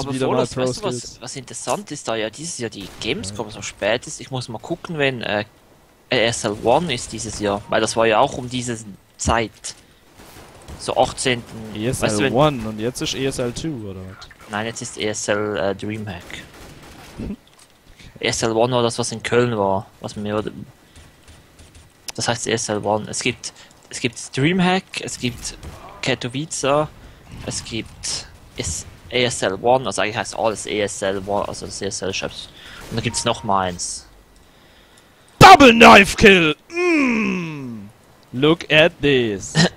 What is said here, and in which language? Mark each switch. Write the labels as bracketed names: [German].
[German] aber wieder mal Pro Skills. Was interessant ist, da ja dieses Jahr die Gamescom so spät ist, ich muss mal gucken, wenn ESL1 ist dieses Jahr, weil das war ja auch um diese Zeit. So 18. ESL1 weißt du, wenn... und jetzt ist ESL2 oder was? Nein, jetzt ist ESL Dreamhack. ESL1 war das, was in Köln war, was mir. Das heißt ESL1. Es gibt Dreamhack, es gibt Katowice. Es gibt ESL1, also eigentlich heißt alles ESL1, also das ESL Shops. Und da gibt's noch mal eins. [English] Double Knife Kill! Mm. Look at this!